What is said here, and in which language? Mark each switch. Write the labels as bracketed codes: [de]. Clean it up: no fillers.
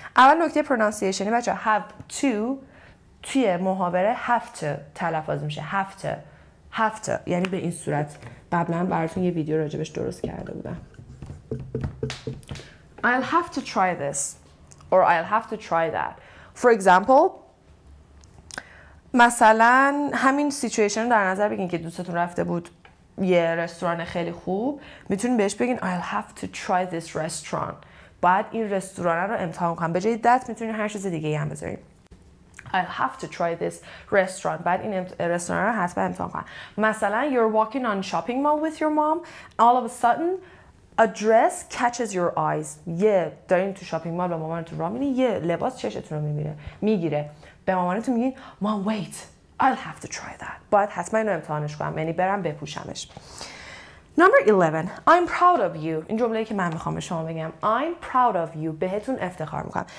[fa] اول نکته پرونانسیشنی بچه‌ها، [en] have to [fa] توی محاوره هفته تلفظ میشه، هفته یعنی به این صورت. قبلا براتون یه ویدیو راجبش درست کرده بودم. [en] I'll have to try this or I'll have to try that. For example، [fa] مثلا همین سیچویشن رو در نظر بگین که دوستتون رفته بود یه رستوران خیلی خوب، میتونین بهش بگین [en] I'll have to try this restaurant. [fa] بعد این رستوران رو امتحان کنم. به جای that میتونین هر چیز دیگه ای هم بذارین. [en] I'll have to try this restaurant. [fa] بعد این رستوران رو حتما امتحان کنم. مثلا [en] you're walking on shopping mall with your mom, all of a sudden a dress catches your eyes. [fa] یه دارین تو شاپینگ مال با مامانتون راه میرین، یه لباس چشتون رو میگیره. به مامانتون میگین [en] mom wait, I'll have to try that. [fa] بعد حتما اینو امتحانش کنم، یعنی برم بپوشمش. [en] Number 11. I'm proud of you. [fa] این جمله‌ای که من می‌خوام به شما بگم. [en] I'm proud of you. [fa] بهتون افتخار می‌کنم.